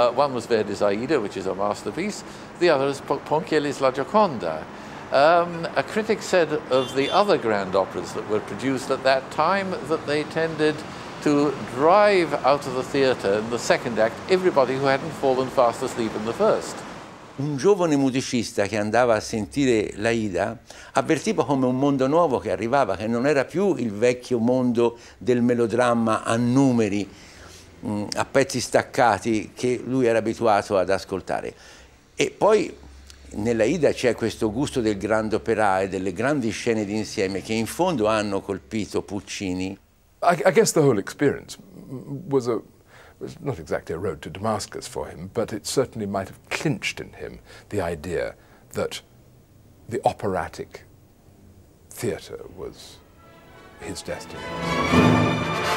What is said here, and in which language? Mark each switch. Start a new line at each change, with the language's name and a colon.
English: One was Verdi's Aida, which is a masterpiece. The other is Ponchielli's La Gioconda. A critic said of the other grand operas that were produced at that time that they tended to drive out of the theatre in the second act everybody who hadn't fallen fast asleep in the first.
Italian: Un giovane musicista che andava a sentire l'Aida avvertiva come un mondo nuovo che arrivava, che non era più il vecchio mondo del melodramma a numeri, a pezzi staccati che lui era abituato ad ascoltare. E poi nell'Aida c'è questo gusto del grand opera e delle grandi scene d'insieme che in fondo hanno colpito Puccini.
English: I guess the whole experience was not exactly a road to Damascus for him, but it certainly might have clinched in him the idea that the operatic theatre was his destiny.